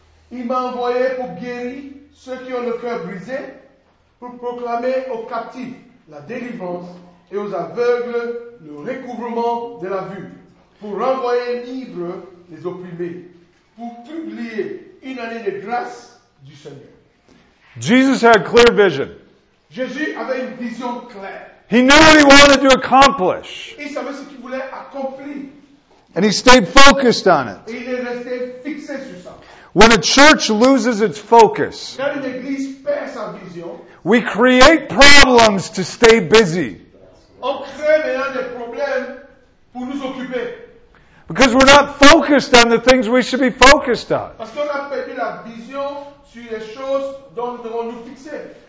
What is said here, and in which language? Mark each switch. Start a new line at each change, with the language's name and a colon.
French: Il m'a envoyé pour guérir ceux qui ont le cœur brisé, pour proclamer aux captifs la délivrance et aux aveugles le recouvrement de la vue, pour renvoyer libre les opprimés, pour publier une année de grâce du Seigneur.
English: Jesus had clear vision.
French: Jésus avait une vision claire.
English: He knew what he wanted to accomplish.
French: Il savait ce qu'il voulait accomplir.
English: And he stayed focused on it.
French: Et il est resté fixé sur ça.
English: When a church loses its focus,
French: quand une église perd sa vision,
English: we create problems to stay busy.
French: On crée maintenant des problèmes pour nous occuper.
English: Because we're not focused on the things we should be focused on.
French: Parce qu'on a perdu la vision sur les choses dont nous devons nous fixer.